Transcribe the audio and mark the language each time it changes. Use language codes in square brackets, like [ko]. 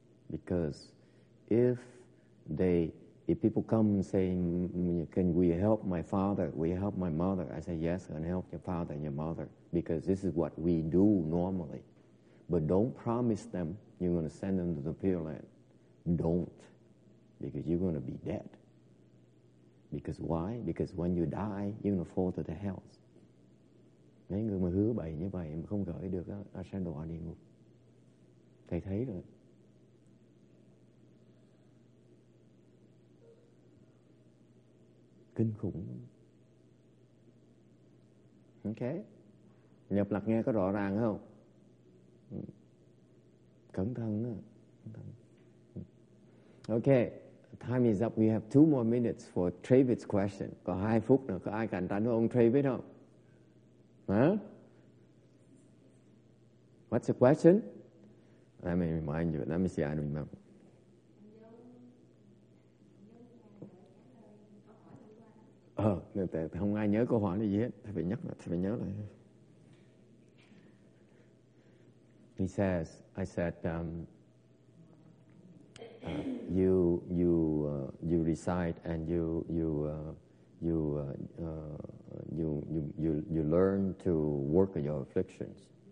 [en] Because if people come and say, can we help my father, we help my mother, I say yes, and help your father and your mother, because this is what we do normally. But don't promise them you're going to send them to the Pure Land. Don't, because you're going to be dead. Because why? Because when you die, you're going to fall to the hells. [vi] Mấy người mà hứa bậy như vậy mà không gửi được á, sẽ đọa địa ngục. Thầy thấy rồi. Kinh khủng. Ok. Nhập lạc nghe có rõ ràng không? Cẩn thận đó. Ok. [en] Time is up. We have 2 more minutes for Travis' question. [vi] Có 2 phút nữa. Có ai cạnh tranh với ông Travis không? Hả? Huh? [en] What's the question? Let me remind you. Let me see. I don't remember. [vi] Không ai nhớ câu hỏi là gì hết. Thầy phải nhớ lại. [en] He says, I said, you recite and you learn to work on your afflictions.